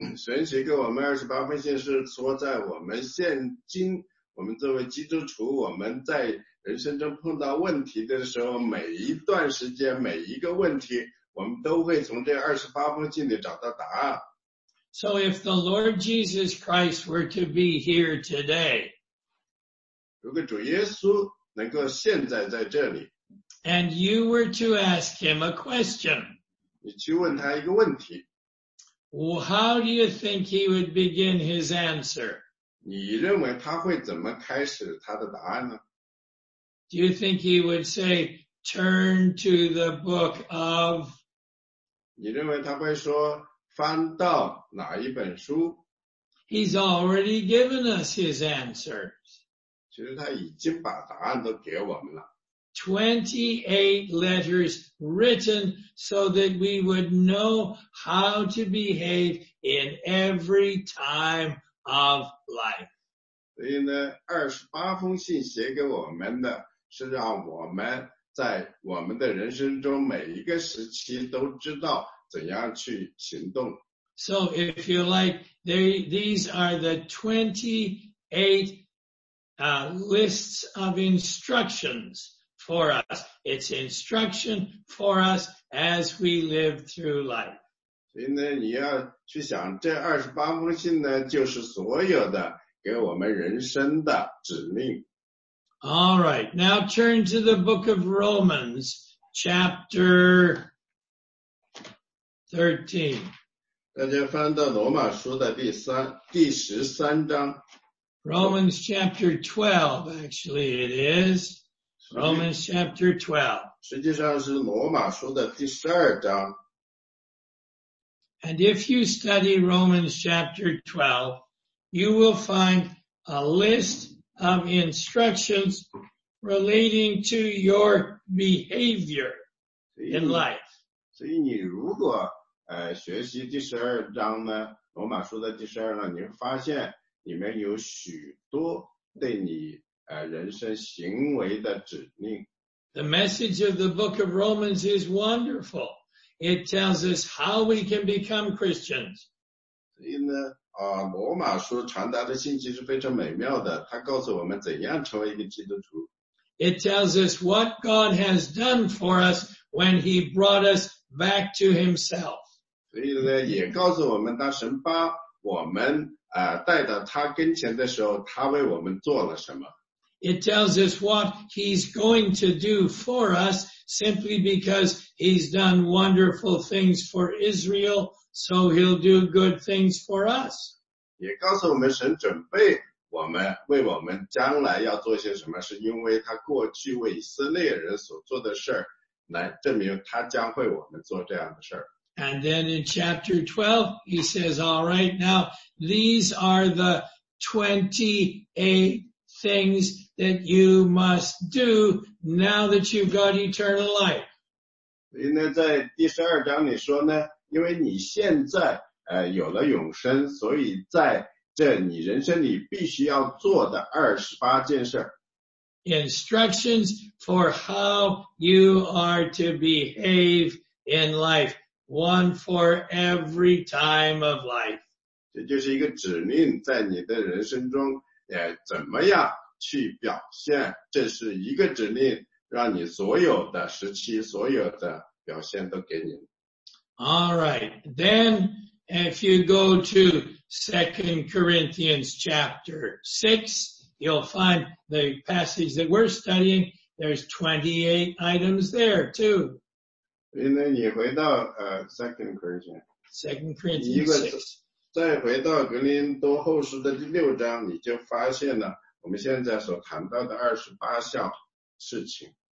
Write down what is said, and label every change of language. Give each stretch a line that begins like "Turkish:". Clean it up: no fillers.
Chinese: 神写给我们28封信是说在我们现今我们作为基督徒我们在人生中碰到问题的时候每一段时间每一个问题我们都会从这28封信里找到答案。
English: So if the Lord Jesus Christ were to be here today,
Chinese: 如果主耶稣能够现在在这里
English: and you were to ask him a question,
Chinese: 你去问他一个问题。
English: Well, how do you think he would begin his answer?
Chinese: 你认为他会怎么开始他的答案呢?
English: Do you think he would say, turn to the book of?
Chinese: 你认为他会说翻到哪一本书?
English: He's already given us his answers.
Chinese: 其实他已经把答案都给我们了。
English: 28 letters written so that we would know how to behave in every time of life.
Chinese: 所以呢28封信写给我们的是让我们在我们的人生中每一个时期都知道怎样去行动。
English: So if you like, these are the 28 lists of instructions. For us, it's instruction for us as we live through life.
Chinese: 所以呢，你要去想这28封信呢，就是所有的给我们人生的指令。
English: All right, now turn to the book of Romans, chapter 13.
Chinese: 大家翻到罗马书的第十三章。
English: Romans chapter 12, actually it is. Romans chapter 12.
Chinese: 实际上是罗马书的第十二章。
English: And if you study Romans chapter 12, you will find a list of instructions relating to your behavior in life.
Chinese: 所以你如果学习第十二章呢，罗马书的第十二章，你会发现里面有许多对你人生行为的指令。
English: The message of the book of Romans is wonderful. It tells us how we can become Christians.
Chinese: 所以呢罗马书传达的信息是非常美妙的，它告诉我们怎样成为一个基督徒。
English: It tells us what God has done for us when he brought us back to himself.
Chinese: 所以呢也告诉我们当神把我们带到他跟前的时候，他为我们做了什么。
English: It tells us what he's going to do for us simply because he's done wonderful things for Israel, so he'll do good things for us.
Chinese: 也告诉我们神准备我们为我们将来要做些什么，是因为他过去为以色列人所做的事儿，来证明他将为我们做这样的事儿。
English: And then in chapter 12, he says, all right, now these are the 28 things that you must do now that you've got eternal life.
Chinese: 所以呢在第十二章里说呢，因为你现在有了永生，所以在这你人生里必须要做的28件事。
English: Instructions for how you are to behave in life, one for every time of life.
Chinese: 这就是一个指令在你的人生中怎么样去表现，这是一个指令，让你所有的时期所有的表现都给你。
English: All right, then if you go to 2 Corinthians chapter 6, you'll find the passage that we're studying, there's 28 items there too.
Chinese: 所以呢你回到2 Corinthians 6，再回到格林多后书的第六章，你就发现了我们现在所谈到的28项事情。